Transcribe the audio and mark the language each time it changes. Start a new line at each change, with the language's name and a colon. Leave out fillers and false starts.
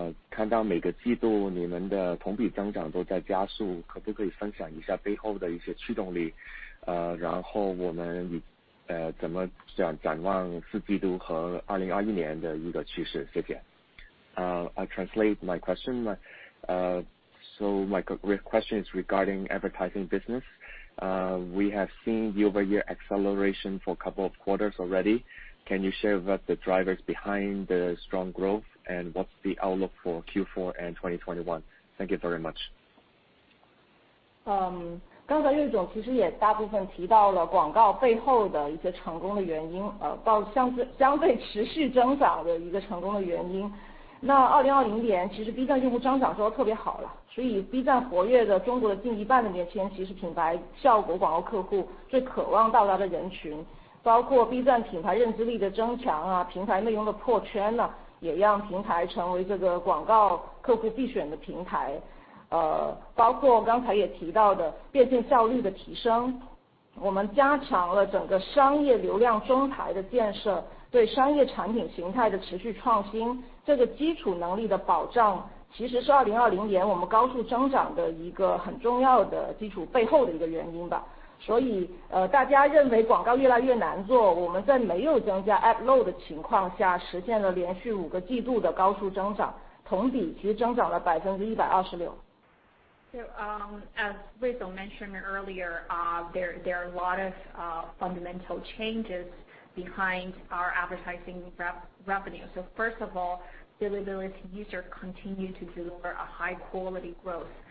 Chinese: 看到每个季度你们的同比增长都在加速可不可以分享一下背后的一些驱动力然后我们怎么展望四季度和2021年的一个趋势谢谢
English: I translate my question my question is regarding advertising businesswe have seen year-over-year acceleration for a couple of quarters already. Can you share with us the drivers behind the strong growth and what's the outlook for Q4 and 2021? Thank you very much.
Chinese: 刚才瑞总其实也大部分提到了广告背后的一些成功的原因，相对持续增长的一个成功的原因。那2020年其实 B 站用户增长说特别好了，所以 B 站活跃的中国的近一半的年轻人其实品牌效果广告客户最渴望到达的人群，包括 B 站品牌认知力的增强啊，平台内容的破圈呢、啊、也让平台成为这个广告客户必选的平台，包括刚才也提到的变现效率的提升，我们加强了整个商业流量中台的建设，对商业产品形态的持续创新，这个基础能力的保障其实是2020年我们高速增长的一个很重要的基础背后的一个原因吧。所以大家认为广告越来越难做，我们在没有增加 app load 的情况下实现了连续五个季度的高速增长，同比其实增长了126%。
English: So as Rizal mentioned earlier, there are a lot of fundamental changes behind our advertising revenue. So first of all, Bilibili's user continue to deliver a high quality growth.